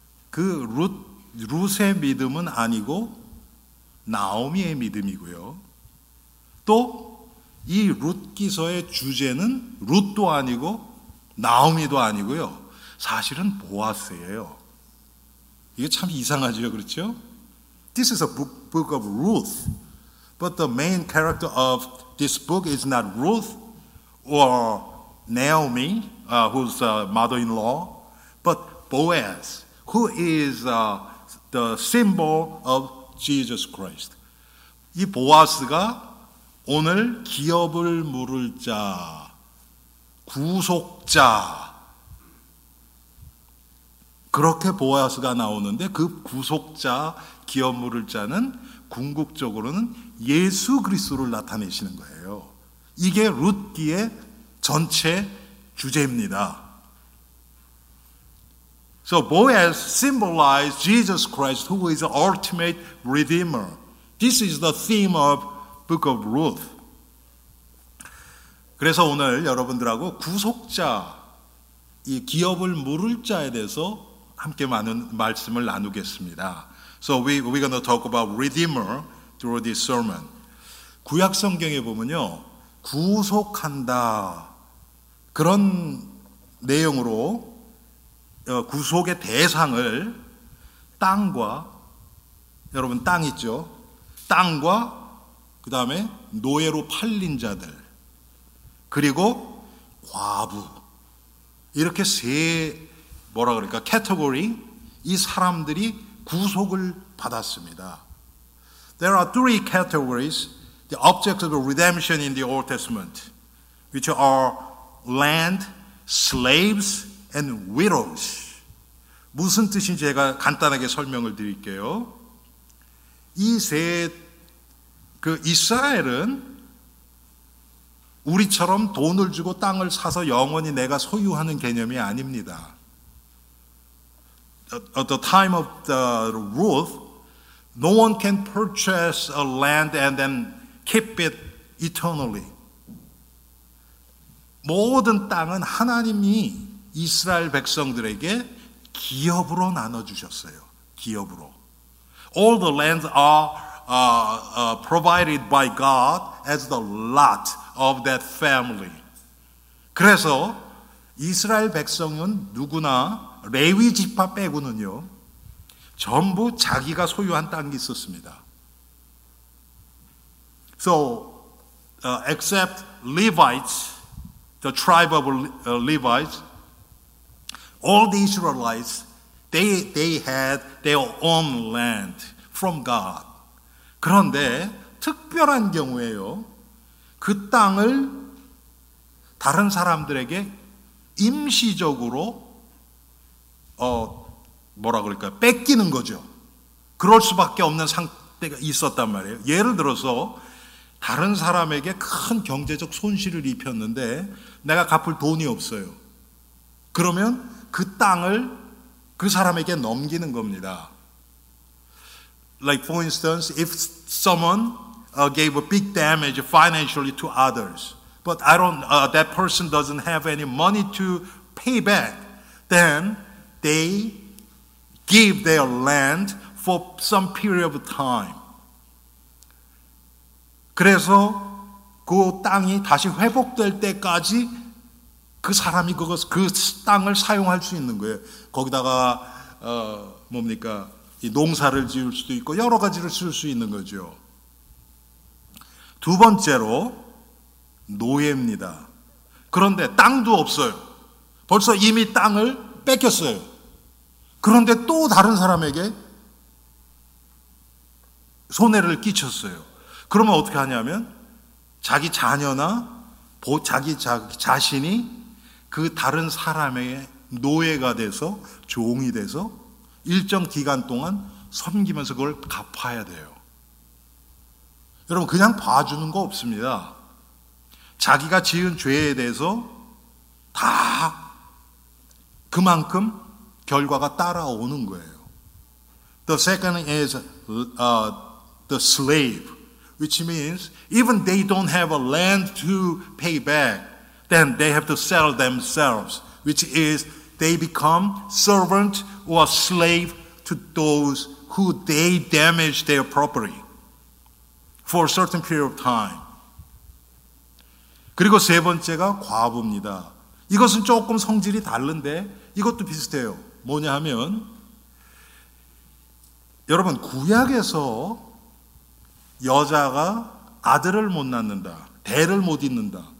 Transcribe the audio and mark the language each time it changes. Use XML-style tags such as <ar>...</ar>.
<ko>그 룻의 믿음은 아니고 나오미의 믿음이고요. 또 이 룻기서의 주제는 룻도 아니고 나오미도 아니고요. 사실은 보아스예요. 이게 참 이상하죠, 그렇죠?</ko> <en>This is a book of Ruth, but the main character of this book is not Ruth or Naomi, who's the mother-in-law, but Boaz, who is the symbol of Jesus Christ.</en> <ko>이 보아스가 오늘 기업을 물을 자, 구속자, 그렇게 보아스가 나오는데 그 구속자, 기업 물을 자는 궁극적으로는 예수 그리스도를 나타내시는 거예요. 이게 룻기의 전체 주제입니다.</ko> <en>So Boaz symbolized Jesus Christ, who is the ultimate redeemer. This is the theme of Book of Ruth.</en> <ko>그래서 오늘 여러분들하고 구속자, 이 기업을 물을 자에 대해서 함께 많은 말씀을 나누겠습니다.</ko> <en>So we're going to talk about redeemer through this sermon.</en> <ko>구약 성경에 보면요, 구속한다 그런 내용으로 구속의 대상을 땅과, 여러분 땅 있죠? 땅과 그 다음에 노예로 팔린 자들 그리고 과부, 이렇게 세, 뭐라 그럴까, 카테고리, 이 사람들이 구속을 받았습니다.</ko> <en>There are three categories, the objects of redemption in the Old Testament, which are land, slaves, and widows.</en> <ko>무슨 뜻인지 제가 간단하게 설명을 드릴게요. 이 세, 그 이스라엘은 우리처럼 돈을 주고 땅을 사서 영원히 내가 소유하는 개념이 아닙니다.</ko> <en>At the time of the Ruth, no one can purchase a land and then keep it eternally.</en> <ko>모든 땅은 하나님이 이스라엘 백성들에게 기업으로 나눠주셨어요. 기업으로.</ko> <en>All the lands are provided by God as the lot of that family.</en> <ko>그래서 이스라엘 백성은 누구나 레위 지파 빼고는요, 전부 자기가 소유한 땅이 있었습니다.</ko> <en>So, except Levites, the tribe of Levites, all the Israelites, they had their own land from God.</en> <ko>그런데 특별한 경우에요, 그 땅을 다른 사람들에게 임시적으로 뭐라 그럴까요? 뺏기는 거죠. 그럴 수밖에 없는 상태가 있었단 말이에요. 예를 들어서 다른 사람에게 큰 경제적 손실을 입혔는데 내가 갚을 돈이 없어요. 그러면 그 땅을 그 사람에게 넘기는 겁니다.</ko> <en>Like for instance, if someone gave a big damage financially to others, but that person doesn't have any money to pay back, then they give their land for some period of time.</en> <ko>그래서 그 땅이 다시 회복될 때까지 그 사람이 그 땅을 사용할 수 있는 거예요. 거기다가 뭡니까, 이 농사를 지을 수도 있고 여러 가지를 쓸 수 있는 거죠. 두 번째로 노예입니다. 그런데 땅도 없어요. 벌써 이미 땅을 뺏겼어요. 그런데 또 다른 사람에게 손해를 끼쳤어요. 그러면 어떻게 하냐면 자기 자녀나 자기 자신이 그 다른 사람의 노예가 돼서 종이 돼서 일정 기간 동안 섬기면서 그걸 갚아야 돼요. 여러분 그냥 봐주는 거 없습니다. 자기가 지은 죄에 대해서 다 그만큼 결과가 따라오는 거예요.</ko> <en>The second is the slave, which means even they don't have a land to pay back, then they have to sell themselves, which is they become servant or slave to those who they damage their property for a certain period of time.</en> <ko>그리고 세 번째가 과부입니다. 이것은 조금 성질이 다른데 이것도 비슷해요. 뭐냐 하면 여러분 구약에서 여자가 아들을 못 낳는다, 대를 못 잇는다.</ko>